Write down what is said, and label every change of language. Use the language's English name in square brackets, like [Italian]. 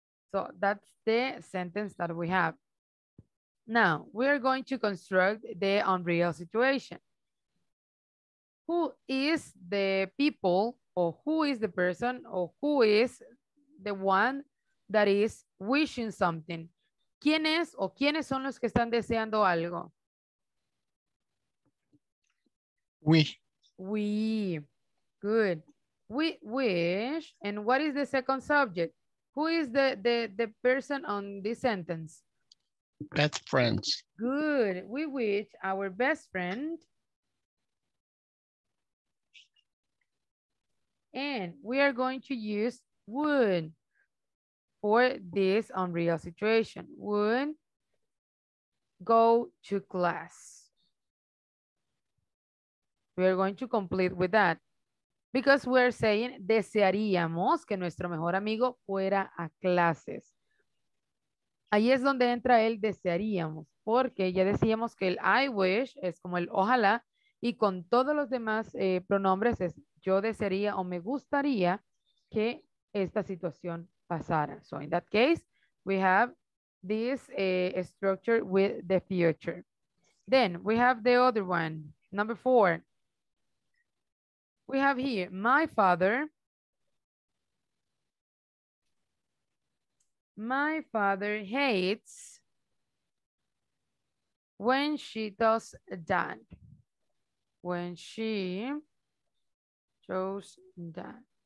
[English] So that's the sentence that we have. Now, we are going to construct the unreal situation. Who is the people, or who is the person, or who is the one that is wishing something? [Spanish] ¿Quién es o quiénes son los que están deseando algo? [English] We. We. Good. We wish. And what is the second subject? Who is the person on this sentence? best friends. Good. We wish our best friend. And we are going to use would for this unreal situation. Would go to class. We are going to complete with that. Because we're saying, [Spanish] desearíamos que nuestro mejor amigo fuera a clases. Ahí es donde entra el desearíamos. Porque ya decíamos que el [English] I wish [Spanish] es como el ojalá. Y con todos los demás pronombres es yo desearía o me gustaría que esta situación pasara. [English] So in that case, we have this structure with the future. Then we have the other one, number four. We have here, my father hates when she does that, when she chose that.